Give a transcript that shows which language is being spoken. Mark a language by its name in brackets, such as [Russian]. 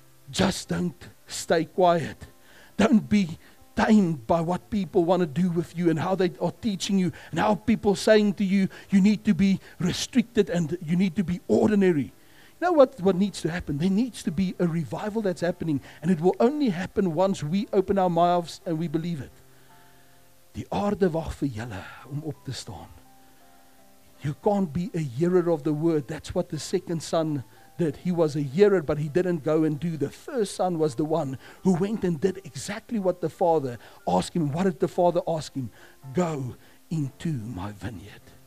[English] Just don't stay quiet. Don't be tamed by what people want to do with you and how they are teaching you and how people are saying to you, you need to be restricted and you need to be ordinary. You know what needs to happen? There needs to be a revival that's happening, and it will only happen once we open our mouths and we believe it. [Afrikaans] Die aarde wag vir julle om op te staan. [English] You can't be a hearer of the word. That's what the second son did. He was a hearer, but he didn't go and do. The first son was the one who went and did exactly what the father asked him. What did the father ask him? Go into my vineyard.